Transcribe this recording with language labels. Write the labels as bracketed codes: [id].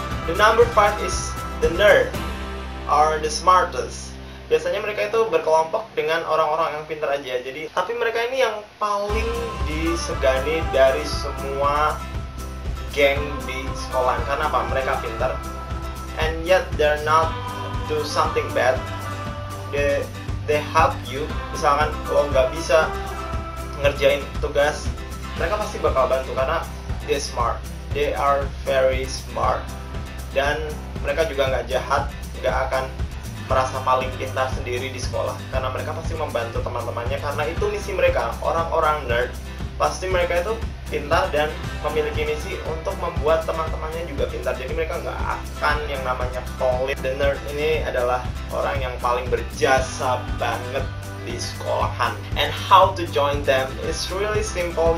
[en] The number five is the nerd or the smartest. [id] Biasanya mereka itu berkelompok dengan orang-orang yang pintar aja. Jadi tapi mereka ini yang paling disegani dari semua geng di sekolah. Karena apa? Mereka pintar. [en] And yet they're not do something bad. They help you. [id] Misalkan lo nggak bisa ngerjain tugas, mereka pasti bakal bantu karena [en] they're smart. They are very smart. [id] Dan mereka juga nggak jahat, nggak akan merasa paling pintar sendiri di sekolah karena mereka pasti membantu teman-temannya karena itu misi mereka. Orang-orang nerd pasti mereka itu pintar dan memiliki misi untuk membuat teman-temannya juga pintar. Jadi mereka nggak akan yang namanya polit. The nerd ini adalah orang yang paling berjasa banget di sekolahan. [en] And how to join them is really simple.